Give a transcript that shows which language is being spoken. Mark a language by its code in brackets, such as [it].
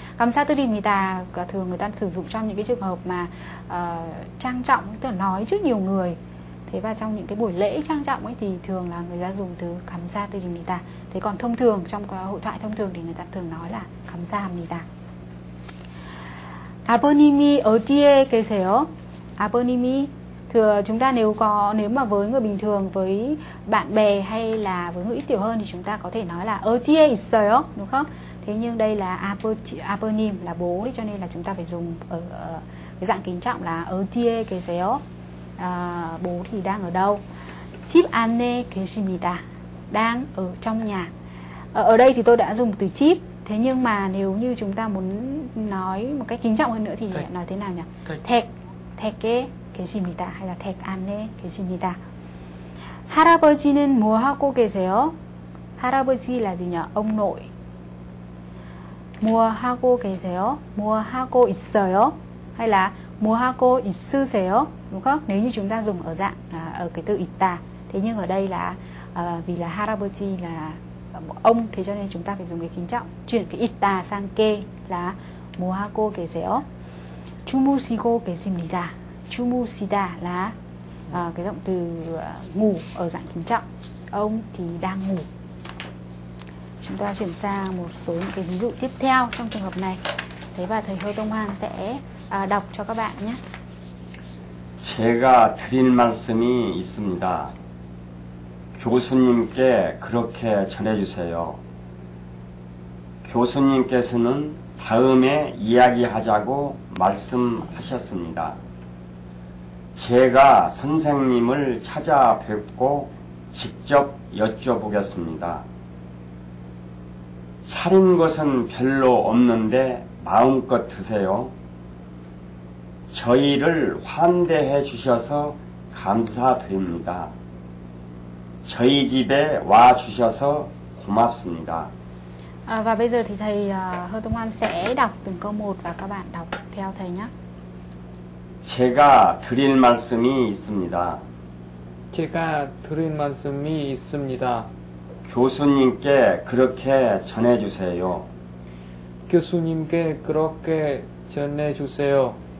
[vi] Khám xa tư đình nì tà thường người ta sử dụng trong những cái trường hợp mà trang trọng, tức là nói trước nhiều người. Thế và trong những cái buổi lễ trang trọng ấy thì thường là người ta dùng từ khám xa tư đình nì tà. Thế còn thông thường, trong hội thoại thông thường thì người ta thường nói là khám xa hầm nì tà. [ko] 아버님이 어디에 계세요? [vi] 아버님이 thừa chúng ta nếu có nếu mà với người bình thường với bạn bè hay là với người ít tiểu hơn thì chúng ta có thể nói là [ko] 어디에 있어요 [vi] đúng không? Thế nhưng đây là 아버님 là bố đấy, cho nên là chúng ta phải dùng ở cái dạng kính trọng là [ko] 어디에 계세요. [vi] Bố thì đang ở đâu? [ko] 집 안에 계십니다. [vi] Đang ở trong nhà. Ở đây thì tôi đã dùng từ 집. Thế nhưng mà nếu như chúng ta muốn nói một cách kính trọng hơn nữa thì nói thế nào nhỉ? [ko] 댁. 댁에 계십니다. 하 là 댁 안에 계십니다. 할아버지는 뭐 하고 계세요? [vi] 할아버지 là gì nhỉ? Ông nội. [ko] 뭐 하고 계세요? 뭐 하고 있어요? Hay là 뭐 하고 있으세요? [vi] Đúng không? Nếu như chúng ta dùng ở dạng ở cái từ 있다. Thế nhưng ở đây là vì là 할아버지 là ông, thế cho nên chúng ta phải dùng cái kính trọng chuyển cái 있다 sang 계 là [ko] 뭐 하고 계세요? 주무시고 계십니다. [vi] 주무시다 là cái động từ ngủ ở dạng kính trọng. Ông thì đang ngủ. Chúng ta chuyển sang một số những cái ví dụ tiếp theo trong trường hợp này. Thế và thầy Hơ Tông Hoan sẽ đọc cho các bạn nhé. [ko] 제가 드릴 말씀이 있습니다. 교수님께 그렇게 전해주세요. 교수님께서는 다음에 이야기하자고 말씀하셨습니다. 제가 선생님을 찾아뵙고 직접 여쭤보겠습니다. 차린 것은 별로 없는데 마음껏 드세요. 저희를 환대해 주셔서 감사드립니다. 저희 집에 와 주셔서 고맙습니다. [vi] Và bây giờ thì thầy Hơ Tông Hoan sẽ đọc từng câu một và các bạn đọc theo thầy nhé. [ko] 제가 드릴 말씀이 있습니다. 제가 드릴 말씀이 있습니다. 교수님께 그렇게 전해주세요. 교수님께 그렇게 전해주세요.